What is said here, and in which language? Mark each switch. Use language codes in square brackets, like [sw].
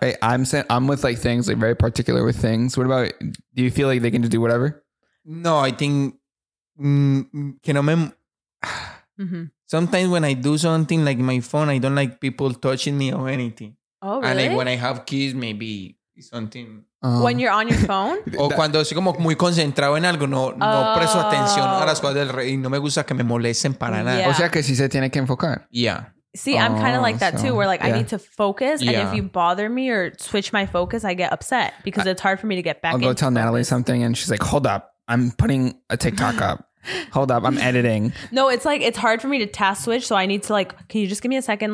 [en] Right, I'm with like things, like very particular with things. What about, do you feel like they can just do whatever? No, I think... Mm-hmm. Sometimes when I do something like my phone, I don't like people touching me or anything. Oh, really? And like when I have kids, maybe something. When you're on your phone? [es] O cuando estoy como muy concentrado en algo, no presto atención a las cosas del rey y no me gusta que me molesten para nada. Yeah. O sea que sí se tiene que enfocar. [en] Yeah. See, I'm kind of like that too, where like I need to focus. Yeah. And if you bother me or switch my focus, I get upset because it's hard for me to get back. I'll go tell Natalie something and she's like, hold up, I'm putting a TikTok up. Hold up, I'm editing. No, it's like it's hard for me to task switch, so I need to like, can you just give me a second?